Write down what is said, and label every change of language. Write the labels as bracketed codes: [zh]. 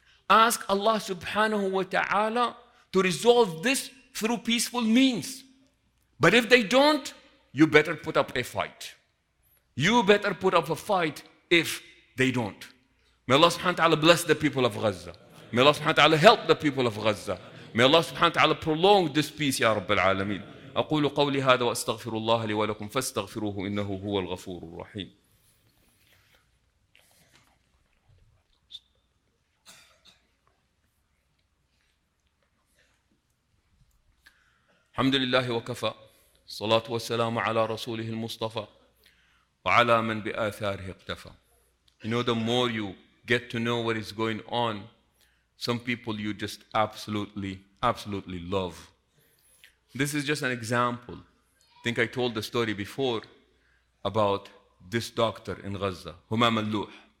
[en] Ask Allah subhanahu wa ta'ala to resolve this through peaceful means. But if they don't, you better put up a fight. You better put up a fight if they don't. May Allah subhanahu wa ta'ala bless the people of Gaza. May Allah subhanahu wa ta'ala help the people of Gaza. May Allah subhanahu wa ta'ala prolong this peace, Ya Rabbil Alameen. [ar] أقول قولي هذا وأستغفر الله لي ولكم فاستغفروه إنه هو الغفور الرحيم. الحمد لله وكفى الصلاة والسلام على رسوله المصطفى وعلى من بآثاره اقتفى. [en] You know, the more you get to know what is going on, some people you just absolutely love. This is just an example. I think I told the story before about this doctor in Gaza, Humam Al-Luh.